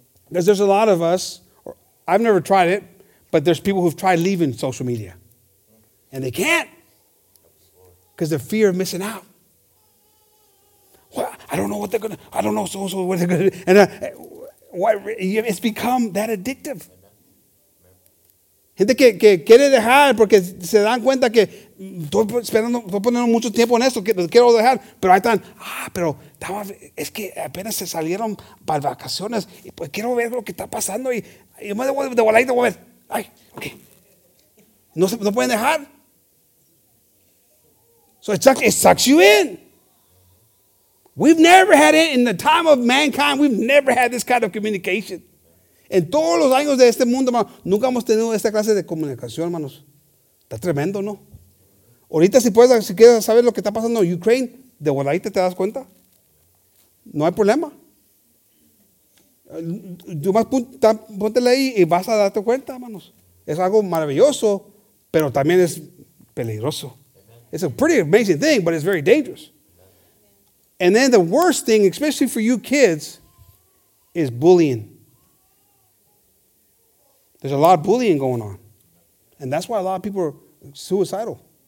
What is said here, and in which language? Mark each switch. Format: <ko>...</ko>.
<en>There's a lot of us, I've never tried it, but there's people who've tried leaving social media. And they can't, because the fear of missing out. I don't know what they're gonna. I don't know so what they're gonna. And it's become that addictive.</en> <es>Gente que quiere dejar porque se dan cuenta que estoy poniendo mucho tiempo en esto, que quiero dejar, pero ahí están. Pero es que apenas se salieron para vacaciones y pues quiero ver lo que está pasando y más de voladito voy a ver. Ay, okay. No pueden dejar.</es> <en>So it sucks you in. We've never had it in the time of mankind. We've never had this kind of communication.</en> <es>En todos los años de este mundo, hermano, nunca hemos tenido esta clase de comunicación, hermanos. Está tremendo, ¿no? Ahorita, si quieres saber lo que está pasando en Ukraine, de voladita te das cuenta. No hay problema. Tú más póntele ahí y vas a darte cuenta, hermanos. Es algo maravilloso, pero también es peligroso.</es> <en>It's a pretty amazing thing, but it's very dangerous. And then the worst thing, especially for you kids, is bullying. There's a lot of bullying going on. And that's why a lot of people are suicidal.</en>